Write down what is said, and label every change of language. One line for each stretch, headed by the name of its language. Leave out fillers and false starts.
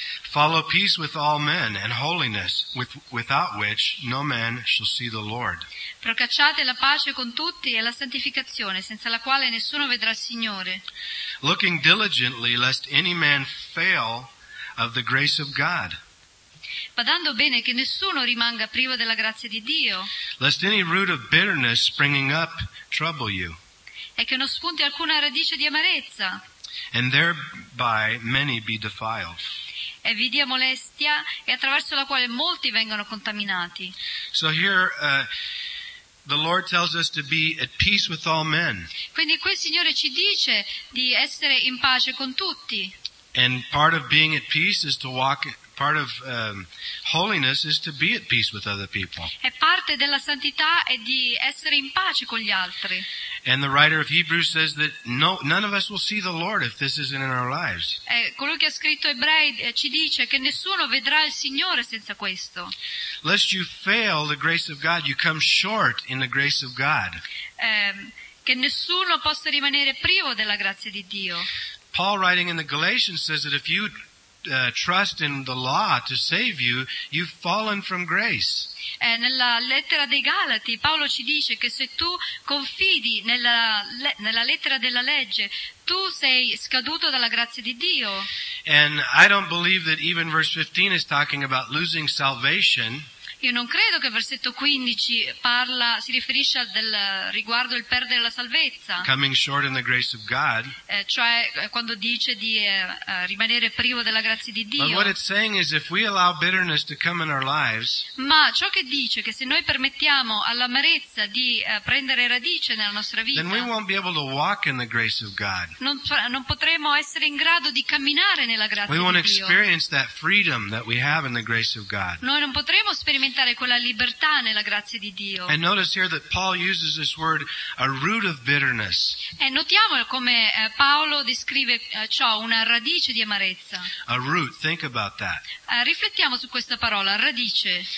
English: Follow peace with all men and holiness, without which no man shall see the Lord.
Italian: Procacciate la pace con tutti e la santificazione, senza la quale nessuno vedrà il Signore.
English: Looking diligently lest any man fail of the grace of God.
Italian: Badando bene che nessuno rimanga privo della grazia di Dio.
English: Lest any root of bitterness springing up trouble you.
Italian: E che non spunti alcuna radice di amarezza.
English: And thereby many be defiled.
Italian: E vi dia molestia e attraverso la quale molti vengono contaminati.
English: So here the Lord tells us to be at peace with all men.
Italian: Quindi qui il Signore ci dice di essere in pace con tutti.
English: And part of being at peace is to walk. Part of holiness is to be at peace with other people.
Italian: E parte della santità è di essere in pace con gli altri.
English: And the writer of Hebrews says that none of us will see the Lord if this isn't in our lives.
Italian: E colui che ha scritto Ebrei ci dice che nessuno vedrà il Signore senza questo.
English: Lest you fail the grace of God, you come short in the grace of God.
Italian: Che nessuno possa rimanere privo della grazia di Dio.
English: Paul, writing in the Galatians, says that if you trust in the law to save you, you've fallen from grace.
Italian: Nella lettera dei Galati, Paolo ci dice che se tu confidi nella lettera della legge, tu sei scaduto dalla grazia di Dio.
English: And I don't believe that even verse 15 is talking about losing salvation.
Italian: Io non credo che versetto 15 parla, si riferisce riguardo il perdere la salvezza.
English: Coming short in the grace of God.
Italian: Cioè quando dice di rimanere privo della grazia di Dio.
English: But what it's saying is if we allow bitterness to come in our lives.
Italian: Ma ciò che dice che se noi permettiamo all'amarezza di prendere radice nella nostra vita.
English: Then we won't be able to walk in the grace of God.
Italian: Non potremo essere in grado di camminare nella grazia di Dio.
English: We won't experience that freedom that we have in the grace of God.
Italian: Noi non potremo sperimentare quella libertà nella grazia di Dio.
English: And notice here that Paul uses this word, a root of bitterness.
Italian: E notiamo come Paolo descrive ciò, una radice di amarezza.
English: A root, think about that.
Italian: Riflettiamo su questa parola, radice.